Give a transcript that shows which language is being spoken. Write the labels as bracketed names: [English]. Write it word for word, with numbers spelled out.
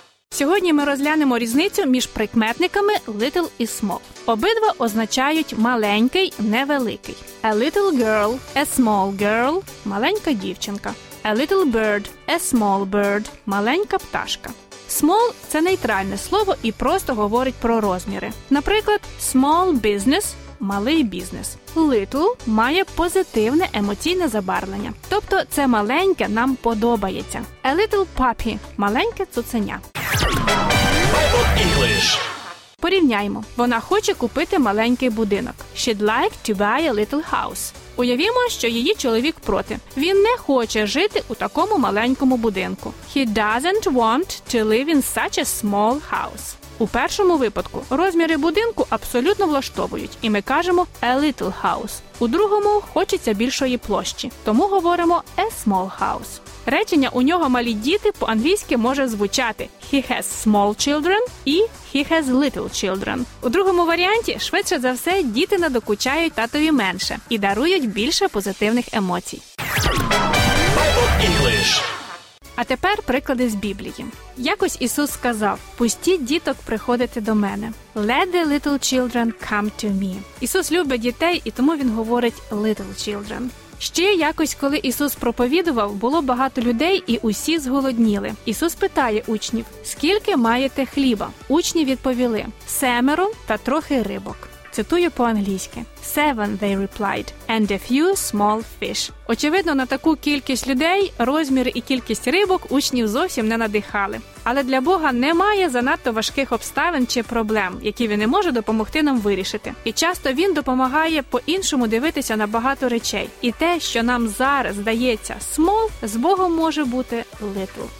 [Ukrainian] Сьогодні ми розглянемо різницю між прикметниками little і small. Обидва означають маленький, невеликий. [English] A little girl, a small girl – [Ukrainian] маленька дівчинка. [English] A little bird, a small bird – [Ukrainian] маленька пташка. Small – це нейтральне слово і просто говорить про розміри. Наприклад, [English] small business [Ukrainian] – малий бізнес. Little має позитивне емоційне забарвлення. Тобто це маленьке нам подобається. [English] A little puppy – [Ukrainian] маленьке цуценя. [English] English. [Ukrainian] Порівняймо. Вона хоче купити маленький будинок. [English] She'd like to buy a little house. [Ukrainian] Уявімо, що її чоловік проти. Він не хоче жити у такому маленькому будинку. [English] He doesn't want to live in such a small house. [Ukrainian] У першому випадку розміри будинку абсолютно влаштовують, і ми кажемо [English] a little house. [Ukrainian] У другому хочеться більшої площі, тому говоримо [English] a small house. [Ukrainian] Речення «у нього малі діти» по-англійськи може звучати [English] «he has small children» [Ukrainian] і [English] «he has little children». [Ukrainian] У другому варіанті, швидше за все, діти надокучають татові менше і дарують більше позитивних емоцій. [English] English. [Ukrainian] А тепер приклади з Біблії. Якось Ісус сказав: «Пустіть діток приходити до мене». [English] Let the little children come to me. [Ukrainian] Ісус любить дітей, і тому Він говорить [English] «little children». [Ukrainian] Ще якось, коли Ісус проповідував, було багато людей і усі зголодніли. Ісус питає учнів: «Скільки маєте хліба?» Учні відповіли: «Семеро та трохи рибок». Цитую по-англійськи. [English] Seven, they replied, and a few small fish. [Ukrainian] Очевидно, на таку кількість людей розміри і кількість рибок учнів зовсім не надихали. Але для Бога немає занадто важких обставин чи проблем, які Він не може допомогти нам вирішити. І часто Він допомагає по-іншому дивитися на багато речей. І те, що нам зараз здається small, з Богом може бути little.